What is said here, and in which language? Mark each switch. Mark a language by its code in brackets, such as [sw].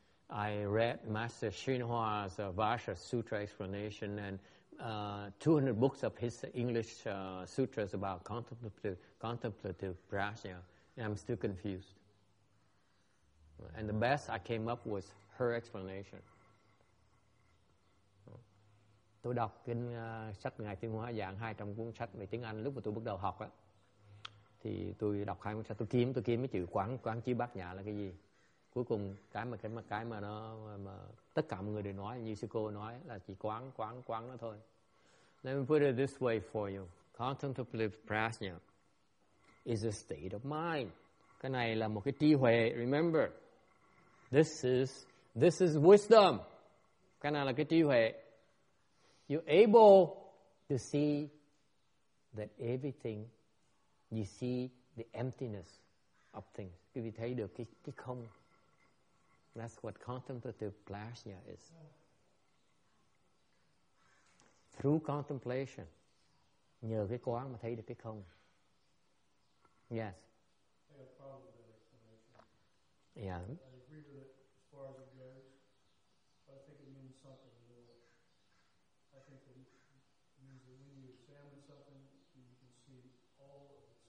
[en] I read Master Xunhua's Vajra Sutra explanation and 200 books of his English sutras about contemplative prajna, and I'm still confused. And the best I came up was her explanation. [vi] Tôi đọc kinh sách ngài Thiên Hóa giảng 200 cuốn sách về tiếng Anh lúc mà tôi bắt đầu học á. Thì tôi đọc hai cuốn sách, tôi kiếm cái chữ quán chiếu bát nhã là cái gì. Cuối cùng cái mà nó mà tất cả mọi người đều nói, như sư cô nói, là chỉ quán nó thôi. [en] Let me put it this way for you. Contemplative prajna is a state of mind. [vi] Cái này là một cái trí huệ. [en] Remember, this is wisdom. [vi] Cái này là cái trí huệ. [en] You're able to see that everything. You see the emptiness of things. [vi] Quý vị thấy được cái không. [en] That's what contemplative prajna is. Through contemplation, [vi] nhờ cái quán mà thấy được cái không. [en] Yes. I have a problem with that explanation. Yeah. I agree with it as far as it goes, but I think it means something more. I think it means that when you examine something, you can see all of